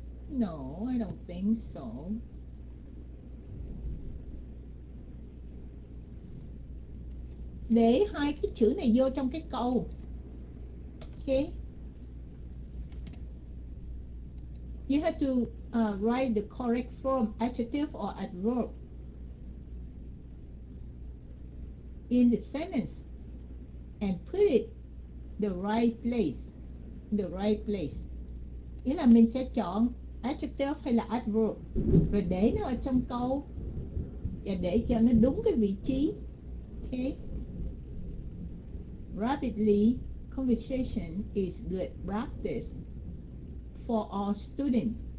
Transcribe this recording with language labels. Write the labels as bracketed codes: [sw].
[en] No, I don't think so. [vi] Để hai cái chữ này vô trong cái câu. Okay. [en] You have to write the correct form, adjective or adverb, in the sentence and put it the right place, the right place. [vi] Nghĩa là mình sẽ chọn adjective hay là adverb rồi để nó ở trong câu và để cho nó đúng cái vị trí. [en] Okay. Rapidly. Conversation is good practice for all students.